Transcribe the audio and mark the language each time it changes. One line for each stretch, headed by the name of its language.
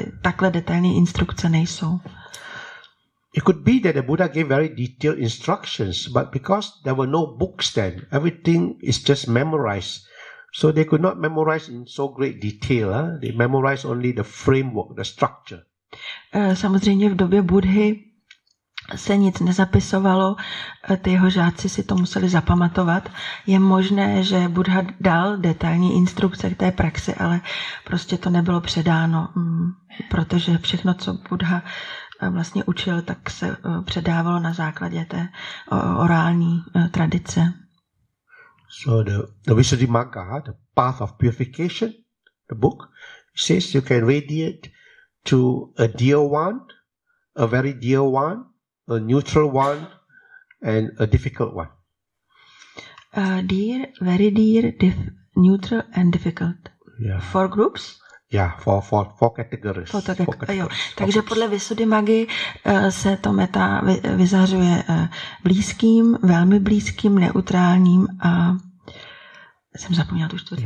Czech: Takhle detailní instrukce nejsou.
English: It could be that the Buddha gave very detailed instructions, but because there were no books then, everything is just memorized. So they could not memorize in so great detail. They memorized only the framework, the structure.
Czech: Samozřejmě v době Buddhy se nic nezapisovalo, ty jeho žáci si to museli zapamatovat. Je možné, že Buddha dal detailní instrukce k té praxi, ale prostě to nebylo předáno, protože všechno, co Buddha vlastně učil, tak se předávalo na základě té orální tradice.
English: So the Visuddhimagga, the path of purification, the book, says you can radiate to a dear one, a very dear one, a neutral one, and a difficult one. Dear, very dear, neutral, and difficult. Yeah. Four groups? Yeah, four categories.
Czech: Takže podle Visuddhimaggy se to meta vyzařuje blízkým, velmi blízkým, neutrálním a jsem zapomněl tu čtvrtý.